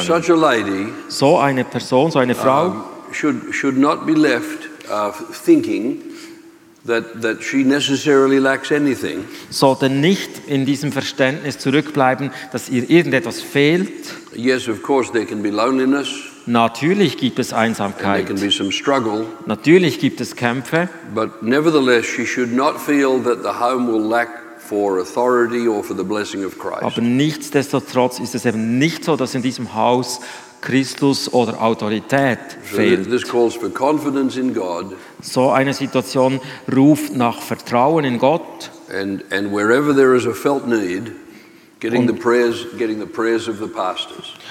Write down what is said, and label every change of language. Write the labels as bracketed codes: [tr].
[en] Such a lady, [de] so eine Person, so eine Frau, [en] should not be left thinking that she necessarily lacks anything. [de] Sollte nicht in diesem Verständnis zurückbleiben, dass ihr irgendetwas fehlt. [en] Yes, of course there can be loneliness. [de] Natürlich gibt es Einsamkeit. [en] There can be some struggle. [de] Natürlich gibt es Kämpfe. [en] But nevertheless she should not feel that the home will lack for authority or for the blessing of Christ. [de] Aber nichtsdestotrotz ist es eben nicht so, dass in diesem Haus Christus oder Autorität fehlt. [en] So this calls for confidence in God. [de] So eine Situation ruft nach Vertrauen in Gott. [en] And wherever there is a felt need, getting the prayers of the pastors.